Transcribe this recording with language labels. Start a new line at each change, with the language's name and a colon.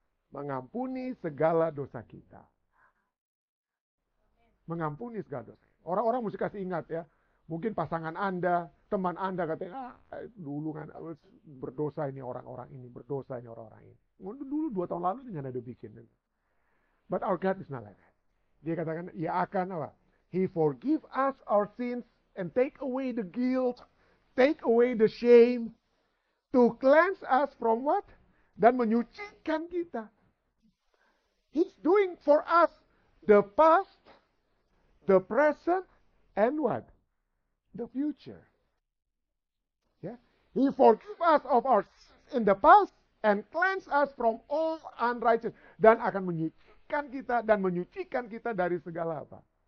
Indonesian: Mengampuni segala dosa kita. Mengampuni segala dosa. Orang-orang mesti kasih ingat ya. Mungkin pasangan Anda, teman Anda katanya, dulu kan berdosa ini orang-orang ini, berdosa ini orang-orang ini. Dulu 2 tahun lalu dia ada bikin.
English: But our God is not like that.
Indonesian: Dia katakan, ia akan apa?
English: He forgive us our sins and take away the guilt, take away the shame, to cleanse us from what?
Indonesian: Dan menyucikan kita.
English: He's doing for us the past, the present, and what? The future. Yeah. He forgive us of our sins in the past and cleanse us from all unrighteousness.
Indonesian: Dan akan menyucikan kita dari segala apa?